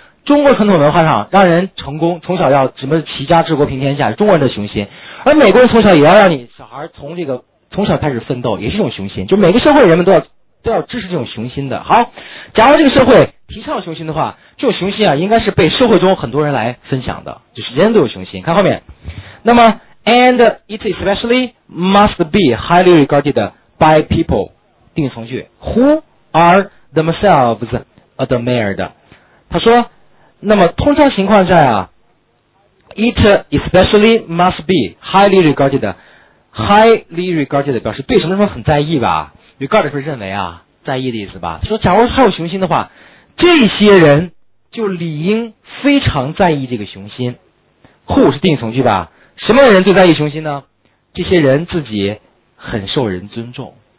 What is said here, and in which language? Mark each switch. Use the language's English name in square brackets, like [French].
[Chinese] 中国传统文化上让人成功，从小要什么齐家治国平天下，中国人的雄心，而美国人从小也要让你小孩从这个从小开始奋斗，也是一种雄心，就每个社会人们都要支持这种雄心的。好，假如这个社会提倡雄心的话，这种雄心啊，应该是被社会中很多人来分享的，就是人人都有雄心。 [English] 看后面，那么 and it especially must be highly regarded by people，定语从句 who are themselves admired。他说，那么通常情况下啊， it especially must be highly regarded. [Chinese] Highly regarded 表示对什么什么很在意吧。Regard 是认为啊，在意的意思吧。说假如他有雄心的话，这些人就理应非常在意这个雄心。 Who 是定语从句吧？什么人最在意雄心呢？这些人自己很受人尊重。